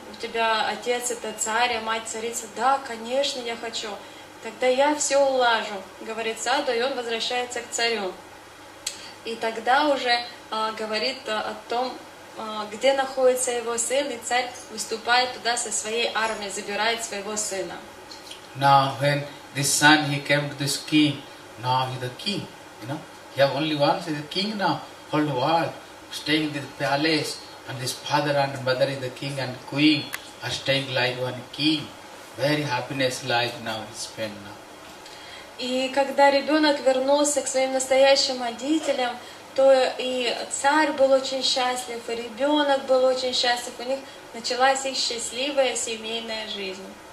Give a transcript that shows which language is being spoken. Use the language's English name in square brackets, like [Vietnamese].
[Russian] У тебя отец это царь, а мать царица? Да, конечно, я хочу. Тогда я все улажу, говорит Садо, и он возвращается к царю. И тогда уже говорит о том, где находится его сын, и царь выступает туда со своей армией, забирает своего сына. [English] Now when this son he came to this king, now he the king, you know, he have only one, he's the king now, hold world. Staying in this palace, and this father and mother is the king and queen are staying like one king. Very happiness life now is spent now. [Russian] И когда ребенок вернулся к своим настоящим родителям, то и царь был очень счастлив, и ребенок был очень счастлив. У них началась их счастливая семейная жизнь.